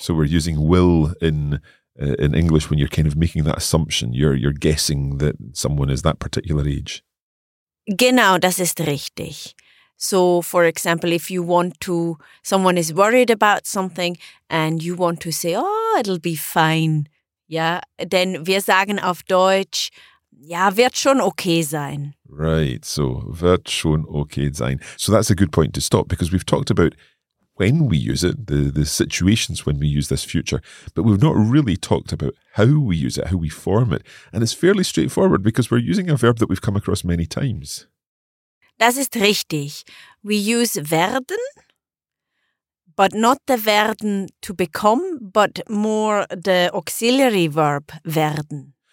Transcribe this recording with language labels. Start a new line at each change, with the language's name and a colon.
English: So we're using will in English when you're kind of making that assumption. You're guessing that someone is that particular age.
German: Genau, das ist richtig.
English: So, for example, if you want to, someone is worried about something and you want to say, oh, it'll be fine.
German: Ja, denn wir sagen auf Deutsch, ja, wird schon okay sein.
English: Right,
German: so wird schon okay sein.
English: So that's a good point to stop because we've talked about when we use it, the situations when we use this future, but we've not really talked about how we use it, how we form it. And it's fairly straightforward because we're using a verb that we've come across many times.
German: Das ist richtig.
English: We use werden, but not the werden to become, but more the auxiliary verb werden.